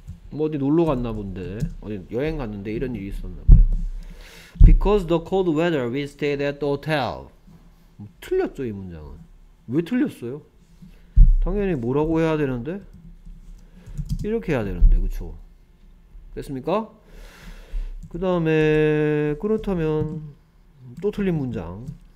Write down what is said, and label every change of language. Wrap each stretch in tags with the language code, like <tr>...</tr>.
<ko>뭐 어디 놀러 갔나 본데 어디 여행 갔는데 이런 일이 있었나 봐요.</ko> <en>Because the cold weather we stayed at the hotel.</en> <ko>틀렸죠 이 문장은. 왜 틀렸어요? 당연히 뭐라고 해야 되는데? 이렇게 해야 되는데 그쵸? 됐습니까? 그 다음에 그렇다면 또 틀린 문장.</ko>